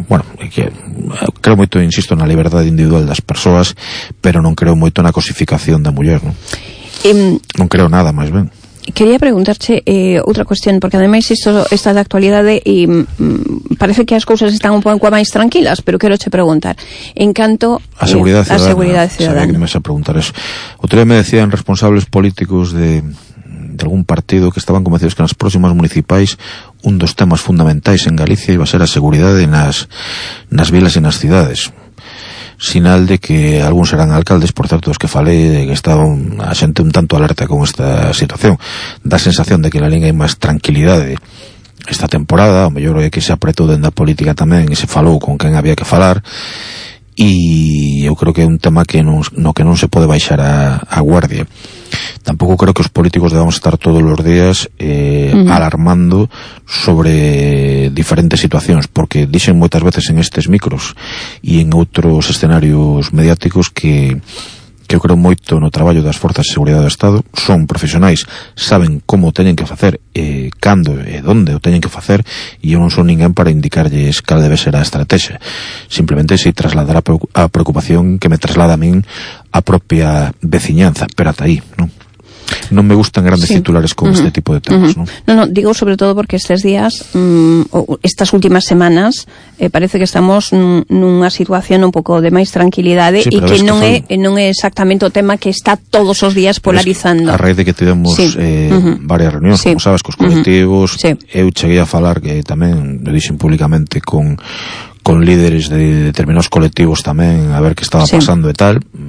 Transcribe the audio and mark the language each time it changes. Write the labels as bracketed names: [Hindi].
[Galician] Bueno, que creo moito, insisto, na liberdade individual das persoas, pero non creo moito na cosificación da muller, non? Non creo nada, máis ben. Quería preguntarche outra cuestión, porque ademais isto está de actualidade e parece que as cousas están un pouco máis tranquilas, pero quero che preguntar. En canto... A seguridade ciudadana. A seguridade ciudadana. [Spanish] Sabía que me ibas a preguntar eso. [Galician] Outro día me decían responsables políticos de algún partido que estaban convencidos que nas próximas municipais un dos temas fundamentais en Galicia iba a ser a seguridade nas vilas e nas cidades. Sinal de que algúns eran alcaldes, por certo, os que falei, de que estaban a xente un tanto alerta con esta situación. Da sensación de que na Lalín hai máis tranquilidade esta temporada, o mellor é que se apretou dende a política tamén e se falou con quen había que falar. E eu creo que é un tema que no que non se pode baixar a guardia. Tampouco creo que os políticos debamos estar todos os días alarmando sobre diferentes situacións, porque dixen moitas veces en estes micros e en outros escenarios mediáticos que eu creo moito no traballo das forzas de seguridade do Estado, son profesionais, saben como o teñen que facer, cando e donde o teñen que facer, e eu non son ninguén para indicarlles cal debe ser a estrategia. Simplemente se trasladar a preocupación que me traslada a min a propia veciñanza, pero ata aí, non? Non me gustan grandes titulares con este tipo de temas, non? No, digo sobre todo porque estes días, estas últimas semanas, parece que estamos nunha situación un pouco de máis tranquilidade, sí, e que non é exactamente o tema que está todos os días polarizando. A raíz de que tivemos varias reunións, como sabes, cos colectivos, eu cheguei a falar, que tamén me dixen públicamente, con líderes de determinados colectivos tamén, a ver que estaba pasando e tal.